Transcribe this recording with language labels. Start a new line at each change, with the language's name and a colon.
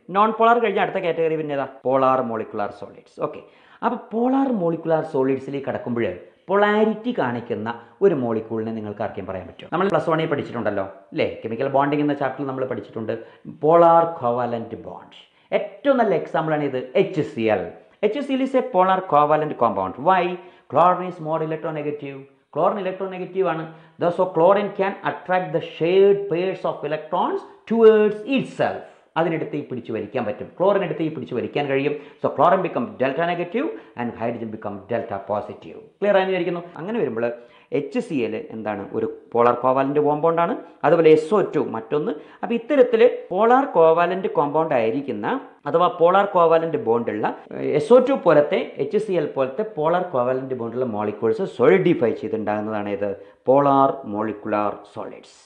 Malayalam: Non polar കഴിഞ്ഞ അടുത്ത category പിന്നെ ഏതാ? Polar molecular solids. ഓക്കെ, അപ്പോൾ പോളാർ മോളിക്കുലാർ സോളിഡ്സിലേക്ക് കടക്കുമ്പോഴേ പൊളാരിറ്റി കാണിക്കുന്ന ഒരു മോളിക്യൂളിനെ നിങ്ങൾക്ക് ആർക്കും പറയാൻ പറ്റും? നമ്മൾ പ്ലസ് വണ്ണിൽ പഠിച്ചിട്ടുണ്ടല്ലോ അല്ലേ, കെമിക്കൽ ബോണ്ടിങ് എന്ന ചാപ്റ്ററിൽ നമ്മൾ പഠിച്ചിട്ടുണ്ട് പോളാർ കോവാലൻ്റ് ബോണ്ട്. ഏറ്റവും നല്ല എക്സാമ്പിളാണ് ഇത് HCl.
English: HCl is a polar covalent compound. Why? Chlorine is more electronegative. Chlorine electronegative and thus chlorine can attract the shared pairs of electrons towards itself.
Malayalam: അതിനെടുത്ത് ഈ പിടിച്ചു വലിക്കാൻ പറ്റും. ക്ലോറിൻ എടുത്ത് ഈ പിടിച്ചു വലിക്കാൻ കഴിയും.
English: So chlorine become delta negative and hydrogen become delta positive.
Malayalam: Clear ആയി വിചാരിക്കുന്നു. അങ്ങനെ വരുമ്പോൾ എച്ച് സി എൽ എന്താണ്, ഒരു പോളാർ കോവാലൻ്റ് കോമ്പൗണ്ടാണ്. അതുപോലെ എസ് ഒ ടു മറ്റൊന്ന്. അപ്പോൾ ഇത്തരത്തിൽ പോളാർ കോവാലൻ്റ് കോമ്പൗണ്ട് ആയിരിക്കുന്ന അഥവാ polar covalent ബോണ്ടുള്ള S O two പോലത്തെ എച്ച് സി എൽ പോലത്തെ പോളാർ കോവാലൻ്റ് ബോണ്ടുള്ള മോളിക്യൂൾസ് സോളിഡിഫൈ ചെയ്തിട്ടുണ്ടാകുന്നതാണ് ഇത്, പോളാർ മോളിക്കുലാർ സോളിഡ്സ്.